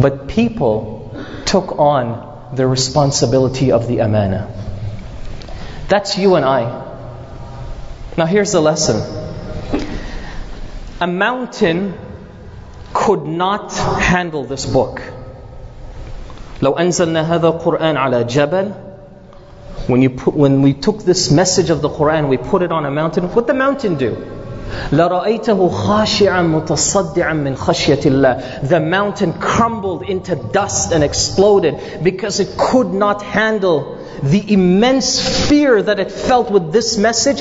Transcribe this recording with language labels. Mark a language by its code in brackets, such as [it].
[en] But people took on the responsibility of the amana. That's you and I. Now here's the lesson. A mountain could not handle this book. [ar] لو أنزلنا هذا القرآن على جبل. [en] When we took this message of the Quran, we put it on a mountain. What the mountain do? [ar] لَرَأَيْتَهُ خَاشِعًا مُتَصَدِّعًا مِنْ خَشْيَةِ اللَّهِ. [en] The mountain crumbled into dust and exploded because it could not handle the immense fear that it felt with this message.